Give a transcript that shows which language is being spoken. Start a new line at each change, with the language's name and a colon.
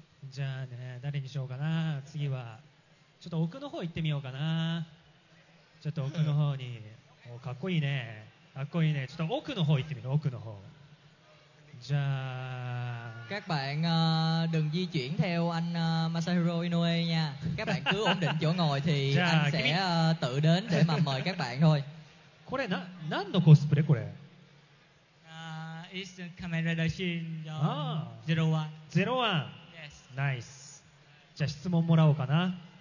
Japanese: じゃあね、誰にしようかな。次はちょっと奥の方行ってみようかな。ちょっと奥の方に。おかっこいいね、かっこいいね。ちょっと奥の方行ってみる、奥の方。じゃあ
Vietnamese: các bạn đừng di chuyển theo anh Masahiro Inoue nha. Các bạn cứ ổn định chỗ ngồi thì anh sẽ tự đến để mà mời các bạn thôi.
Japanese: これ何のコスプレこれ。
English: It's Kamen Rider Shin 01. 01. Yes. Nice.
Japanese: じゃあ質問もらおうかな。